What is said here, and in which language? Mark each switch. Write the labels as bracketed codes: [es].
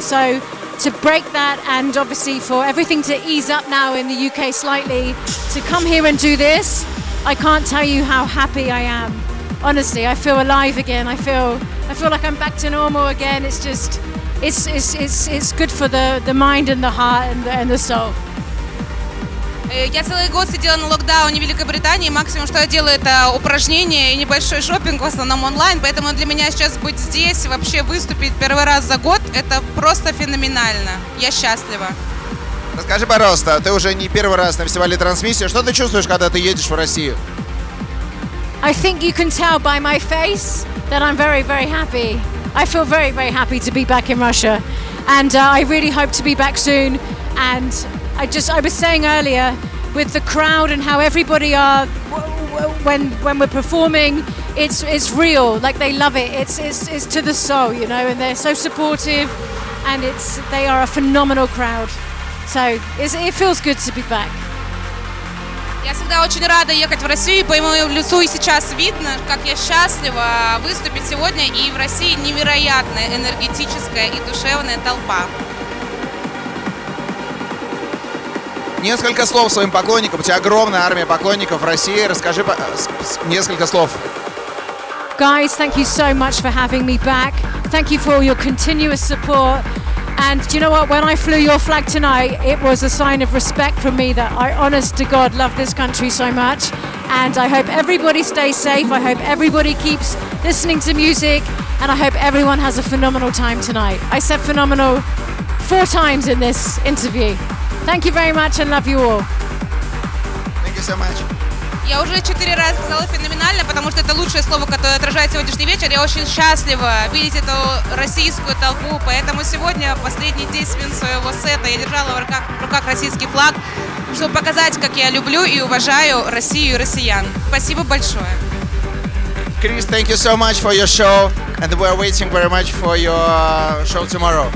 [en] So to break that, and obviously for everything to ease up now in the UK slightly, to come here and do this, I can't tell you how happy I am. Honestly, I feel alive again. I feel like I'm back to normal again. It's just, it's good for the mind and the heart and the soul. [ru] Я целый год сидела на локдауне в Великобритании. Максимум, что я делаю, это упражнения и небольшой шопинг в основном онлайн. Поэтому для меня сейчас быть здесь, вообще выступить первый раз за год, это просто феноменально. Я счастлива. Расскажи, пожалуйста, ты уже не первый раз на фестивале трансмиссии. Что ты чувствуешь, когда ты едешь в Россию? [en] I think you can tell by my face that I'm very, very happy. I feel very, very happy to be back in Russia. And I really hope to be back soon. And... I was saying earlier, with the crowd and how everybody are when we're performing, it's real. Like they love it. It's to the soul, you know. And they're so supportive, and they are a phenomenal crowd. So it feels good to be back. [ru] Я всегда очень рада ехать в Россию. По моему лицу и сейчас видно, как я счастлива выступить сегодня. И в России невероятная энергетическая и душевная толпа. Несколько слов своим поклонникам. У тебя огромная армия поклонников в России. Расскажи несколько слов. [en] Guys, thank you so much for having me back. Thank you for all your continuous support. And do you know what? When I flew your flag tonight, it was a sign of respect for me that I, honest to God, love this country so much. And I hope everybody stays safe. I hope everybody keeps listening to music, and I hope everyone has a phenomenal time tonight. I said phenomenal 4 times in this interview. Thank you very much and love you all. Thank you so much. [ru] Я уже 4 раза сказала феноменально, потому что это лучшее слово, которое отражает сегодняшний вечер. Я очень счастлива видеть эту российскую толпу, поэтому сегодня последние 10 минут своего сета я держала в руках российский флаг, чтобы показать, как я люблю и уважаю Россию и россиян. Спасибо большое. [en] Крис, thank you so much for your show, and we are waiting very much for your show tomorrow.